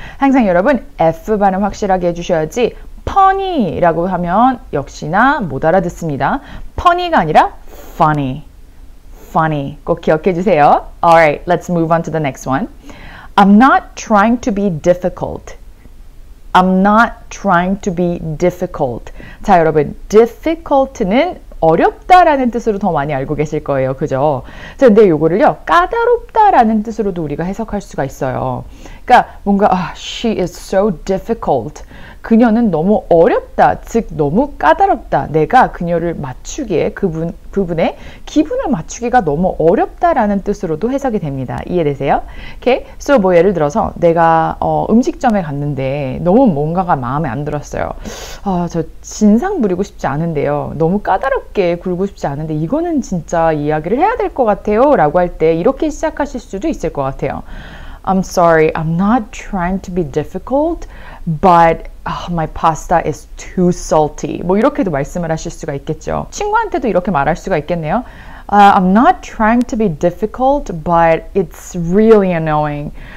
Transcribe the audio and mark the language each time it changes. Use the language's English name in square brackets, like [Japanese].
[Korean] 항상 여러분 F 발음 확실하게 해주셔야지 funny 라고 하면 역시나 못 알아듣습니다. funny가 아니라 funny. funny. 꼭 기억해 주세요. [English] Alright, let's move on to the next one. I'm not trying to be difficult. I'm not trying to be difficult. [Korean] 자, 여러분, difficult는 어렵다라는 뜻으로 더 많이 알고 계실 거예요. 그죠? 자, 근데 요거를요, 까다롭다라는 뜻으로도 우리가 해석할 수가 있어요. 그러니까 뭔가 [English] she is so difficult. [Korean] 그녀는 너무 어렵다, 즉 너무 까다롭다. 내가 그녀를 맞추기에 그분의 기분을 맞추기가 너무 어렵다라는 뜻으로도 해석이 됩니다. 이해되세요? Okay? So 뭐 예를 들어서 내가 음식점에 갔는데 너무 뭔가가 마음에 안 들었어요. 저 진상 부리고 싶지 않은데요. 너무 까다롭게 굴고 싶지 않은데 이거는 진짜 이야기를 해야 될 것 같아요. 라고 할 때 이렇게 시작하실 수도 있을 것 같아요. [English] I'm sorry, I'm not trying to be difficult, but my pasta is too salty. [Korean] 뭐 이렇게도 말씀을 하실 수가 있겠죠. 친구한테도 이렇게 말할 수가 있겠네요. [English] I'm not trying to be difficult, but it's really annoying.